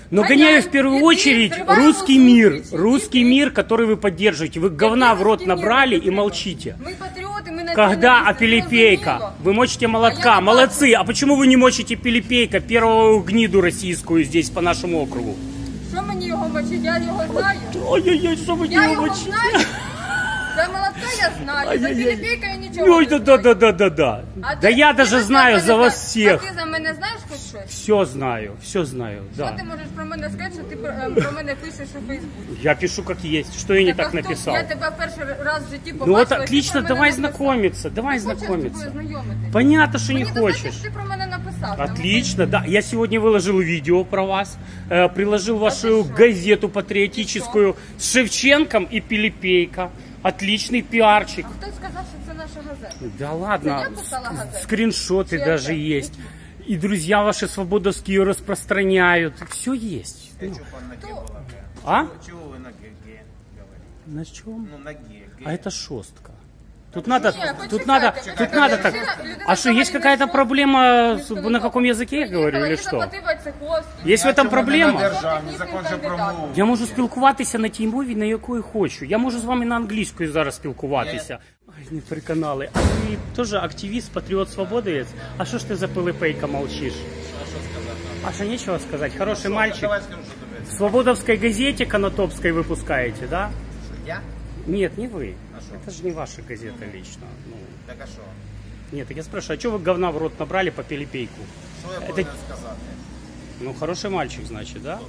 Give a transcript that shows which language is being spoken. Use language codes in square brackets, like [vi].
[ru] Но гоняю, гоняю в первую очередь русский мир. Русский мир, который вы поддерживаете. Вы говна в рот набрали и молчите. Мы патриоты, мы на когда Пилипейка? Вы мочите молотка. А молодцы. А почему вы не мочите Пилипейка, первую гниду российскую здесь по нашему округу? Что мне его мочить? Я его знаю. Ай-яй-яй, что мне его мочить? За молодца я знаю, за Пилипейка я нічого не знаю. Да. Да я даже знаю за вас всех. [uk] А ти за мене знаєш хоч щось? [ru] Все знаю, да. [uk] Що ти можеш про мене сказати, що ти про мене пишеш у Фейсбуці? Я пишу як є, що я не так написав. Я тебе перший раз в житті побачила. Ну от отлично, давай знайомитися. Ти хочеш з тобою знайомити? [ru] Понятно, що не хочеш. [uk] Мені достатньо, що ти про мене написав. [ru] Отлично, да. [uk] Я сьогодні виложив відео про вас. Приложив вашу газету патріотичну з Шевченком і Пилипейка. [ru] Отличный пиарчик. А кто сказал, что это наша газета? Да ладно, газета? Скриншоты Чего? Даже есть. И друзья ваши свободовские распространяют. Все есть. Ты что, по ноге а? Чего вы на ГГ говорите? На чем? Ну, на ГГ. А это шостка. Тут надо так. А что, есть какая-то проблема, на каком языке я говорю или что? Есть в этом проблема? [uk] Я можу спілкуватися на тій мові, на якої хочу. Я можу з вами на англійською зараз спілкуватися. Ай, не переконали. А ти теж активіст, патріот, свободовець? А що ж ти за пилипейка мовчиш? А що нічого сказати? [ru] Хороший мальчик. В «Свободовской газете» Конотопской выпускаете, да? Я? Нет, не вы. Это же не ваша газета лично. Так а что? Нет, так я спрашиваю, а что вы говна в рот набрали по пилипейку? Что я должен сказать? Ну, хороший мальчик, значит, да?